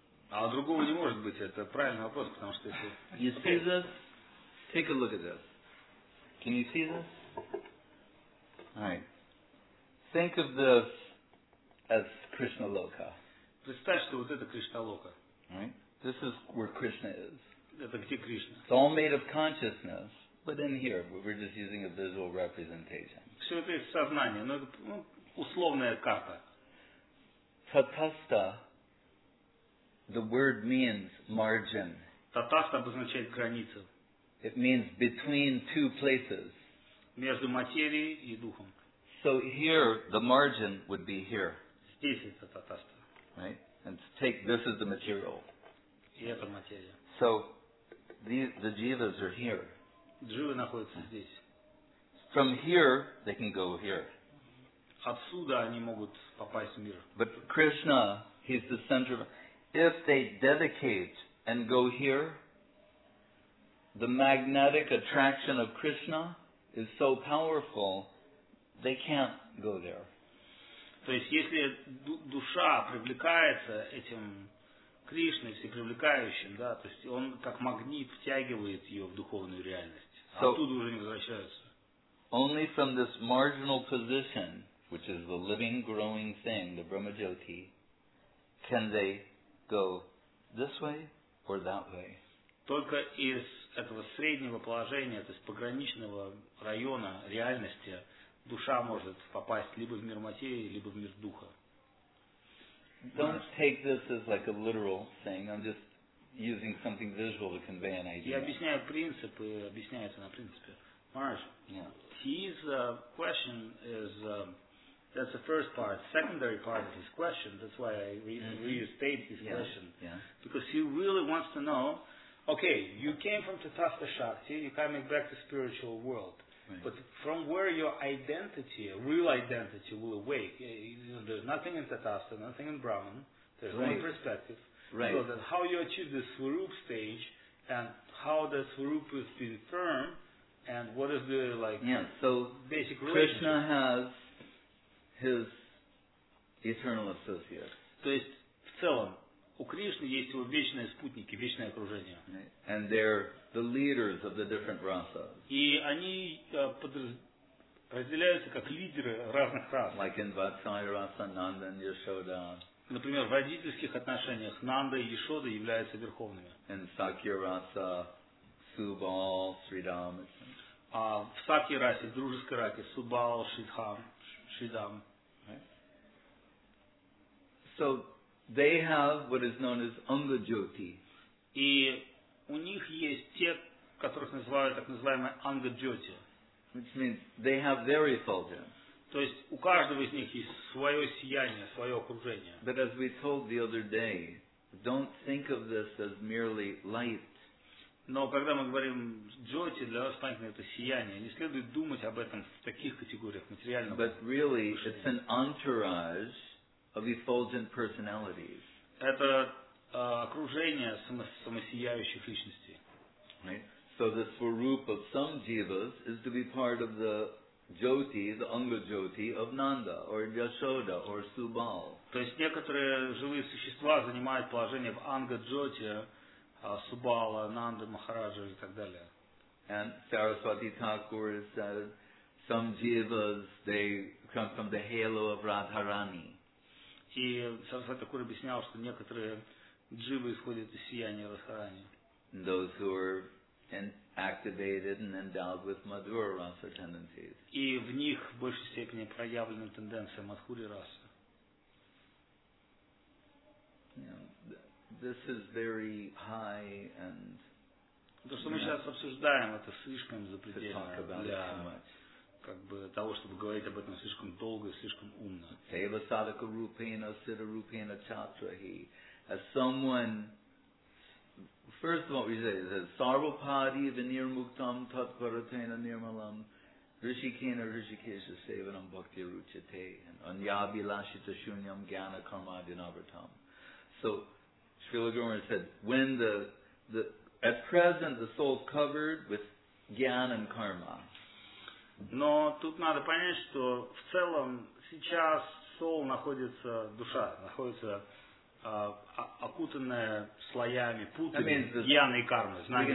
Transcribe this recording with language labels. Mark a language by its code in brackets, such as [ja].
[ru] А другого не может быть, это правильный вопрос, потому что если... [en] You see this? Take a look at this. Can you see this? Alright. Think of this as Krishna Loka. [ru] Представь, что вот это Кришна Лока. [en] Right? This is where Krishna is. [ru] Это где Кришна? [en] It's all made of consciousness, but in here, we're just using a visual representation. [ru] Все это из сознания, но это условная карта. [en] Tathasta. The word means margin. [ru] Татаста обозначает границу. [en] It means between two places. [ru] Между материей и духом. [en] So here the margin would be here. [ru] Здесь это татаста. [en] Right? And take this is the material. [ru] И это материя. [en] So the jivas are here. [ru] Дживы находятся здесь. [en] From here they can go here. [ru] Отсюда они могут попасть в мир. [en] But Krishna, he's the center of... If they dedicate and go here, the magnetic attraction of Krishna is so powerful, they can't go there. [ru] То есть, если душа привлекается этим Кришной, всепривлекающим, да, то есть он как магнит втягивает ее в духовную реальность, [en] so [ru] оттуда уже не возвращаются. [en] Only from this marginal position, which is the living, growing thing, the Brahma Jyoti, can they go this way or that way. [ru] Только из этого среднего положения, то есть пограничного района реальности, душа может попасть либо в мир материи, либо в мир духа. [en] Don't take this as like a literal thing. I'm just using something visual to convey an idea. [ru] Я объясняю принцип и объясняю это на принципе. Марш. [en] Yeah. His question is that's the first part. Secondary part of his question, that's why I restate his question. Yeah. Because he really wants to know, okay, you came from Tathasta Shakti, you're coming back to spiritual world, right. But from where your identity, real identity, will awake, there's nothing in Tathasta, nothing in Brahman, there's right. only perspective. Right. So that how you achieve the Swarup stage, and how the Swarup is being firm, and what is the like so basic Krishna has His eternal associates. [ru] То есть, в целом, у Кришны есть его вечные спутники, вечное окружение. [en] Right. And they're the leaders of the different rasas. [ru] И они разделяются как лидеры разных рас. [en] Like in Vatsali rasa, Nanda and Yashoda. [ru] Например, в родительских отношениях Нанда и Яшода являются верховными. [en] In Sakya rasa, Subal, Sridham. [ru] А в Сакья расе, в дружеской расе, Субал, Шридхам. [en] Shidam. Right. So they have what is known as Anga Jyoti. [ru] И у них есть те, которых называют так называемой Anga Jyoti. [en] Which means they have their effulgence. [ru] То есть у каждого из них есть свое сияние, свое окружение. [en] But as we told the other day, don't think of this as merely light. [ru] Но когда мы говорим джоти, для вас понятно, это сияние. Не следует думать об этом в таких категориях материального. [en] But really, it's an entourage of effulgent personalities. [ru] Это окружение самосияющих личностей. [en] Right? So the swarup of some jivas is to be part of the jyoti, the anga jyoti of Nanda, or Yashoda, or Subal. [ru] То есть некоторые живые существа занимают положение в анга джоти, Субала, Нанда, Махараджа и так далее. [en] And Saraswati Thakur says some jivas they come from the halo of Radharani. [ru] И Сарасвати Такур объяснял, что некоторые дживы исходят из сияния Радхарани. [en] Those who are activated and endowed with Madhura Rasa tendencies. [ru] И в них в большей степени проявлена тенденция Мадхури Раса. [en] This is very high and [ru] То, что мы сейчас обсуждаем, это слишком запредельно для как бы того, чтобы говорить об этом слишком долго и слишком умно. [sa] Deva sadhaka rupena siddha rupena chatrahi. [en] As someone, first of all, we say that [sa] sarvapadi vinir muktam tat paratena nirmalam rishikena rishikesha sevanam bhakti ruchate and anyabhilashita shunyam jnana karma dinavartam. [en] So Srila Gurumaharaj said, when the at present the soul is covered with jnana and karma. [ru] Но тут надо понять, что в целом сейчас [en] soul [ru] находится, душа находится окутанная слоями, путами jnana и кармы, знания.